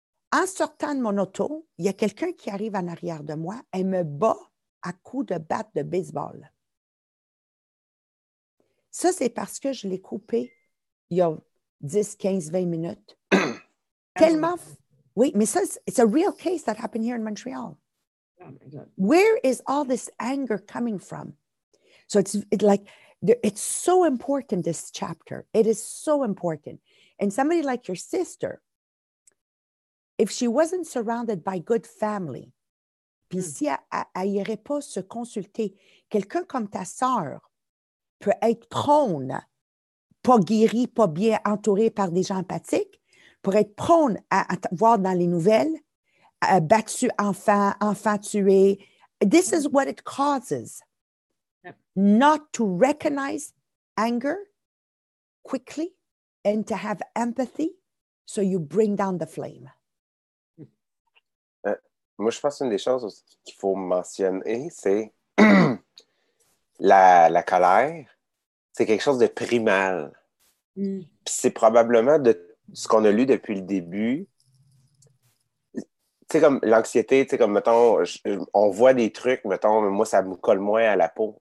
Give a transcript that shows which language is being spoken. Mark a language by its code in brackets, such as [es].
[fr] En sortant de mon auto, il y a quelqu'un qui arrive en arrière de moi et me bat à coups de batte de baseball. Ça, c'est parce que je l'ai coupé il y a 10, 15, 20 minutes. Tellement... Oui, mais ça, [en] it's a real case that happened here in Montreal. Where is all this anger coming from? So it's so important, this chapter. It is so important. And somebody like your sister, if she wasn't surrounded by good family, [fr] puis si elle n'irait pas se consulter, quelqu'un comme ta sœur peut être prône, pas guéri, pas bien entouré par des gens empathiques, pour être prône à voir dans les nouvelles, battu enfant tué. [en] This is what it causes. Yep. Not to recognize anger quickly and to have empathy so you bring down the flame. [fr] Moi, je pense qu'une des choses aussi qu'il faut mentionner, c'est la colère, c'est quelque chose de primal. Mm. Puis c'est probablement de ce qu'on a lu depuis le début. Tu sais, comme l'anxiété, tu sais, comme, mettons, on voit des trucs, mettons, moi, ça me colle moins à la peau.